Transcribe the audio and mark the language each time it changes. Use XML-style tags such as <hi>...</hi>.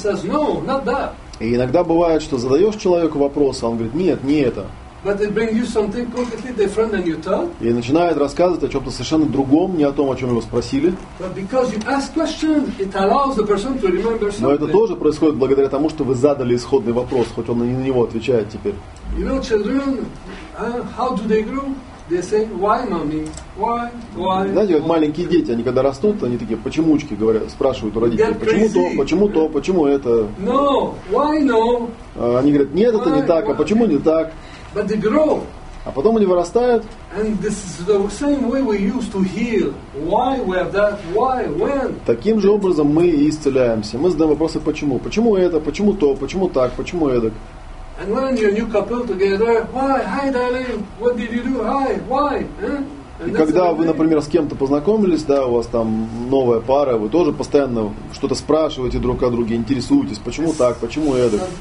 <ru>И иногда бывает, что задаешь человеку вопрос, а он говорит, нет, не это.</ru> <en>But it brings you something completely different than you thought.</en> <ru>И начинает рассказывать о чем-то совершенно другом, не о том, о чем его спросили.</ru> <en>But because you ask questions, it allows the person to remember something.</en> <ru>Но это тоже происходит благодаря тому, что вы задали исходный вопрос, хоть он и на него отвечает теперь.</ru> <en>You know, children, how do they grow? They say, why, mommy? Why?</en> <ru>Знаете, как маленькие дети, они когда растут, они такие почемучки говорят, спрашивают у родителей, почему то, почему это?</ru> <en>No, why no?</en> <ru>Они говорят, нет, это не так, а почему не так?</ru> <en>But they grow.</en> <ru>А потом они вырастают.</ru> <en>And this is the same way we used to heal. Why we have that? Why? When?</en> <ru>Таким же образом мы и исцеляемся. Мы задаем вопросы почему. Почему это? Почему то? Почему так? Почему эдак?</ru> <en>And when you're a new couple together, why? Hi, darling. What did you do? Hi. Why?</en> <ru>И когда вы, например, с кем-то познакомились, да, у вас там новая пара, вы тоже постоянно что-то спрашиваете друг о друге, интересуетесь, почему так, почему это.</ru>